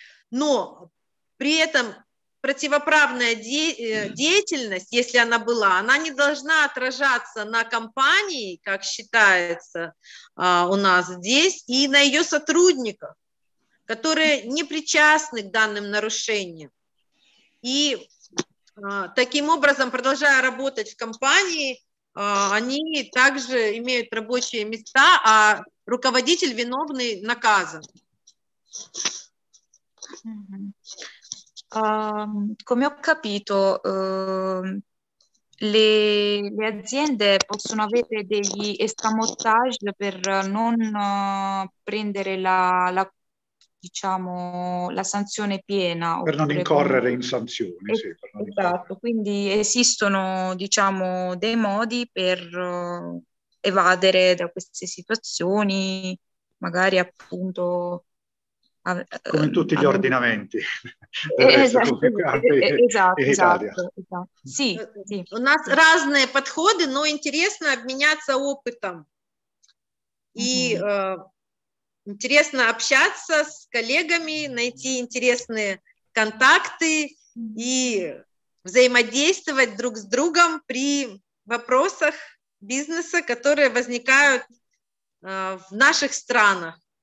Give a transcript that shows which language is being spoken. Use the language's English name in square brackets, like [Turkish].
[Russian] Но при этом противоправная деятельность, если она была, она не должна отражаться на компании, как считается у нас здесь, и на ее сотрудниках, которые не причастны к данным нарушениям. И таким образом, продолжая работать в компании, они также имеют рабочие места, а руководитель виновный наказан. [Italian] Come ho capito, le aziende possono avere degli escamotage per non prendere la diciamo la sanzione piena, per non incorrere in sanzioni. Sì, per non esatto, incorrere. Quindi esistono diciamo dei modi per evadere da queste situazioni, magari appunto. Come in tutti gli ordinamenti. [Russian] У нас разные подходы, но интересно обменяться опытом. И интересно общаться с коллегами, найти интересные контакты и взаимодействовать друг с другом при вопросах бизнеса, которые возникают в наших странах.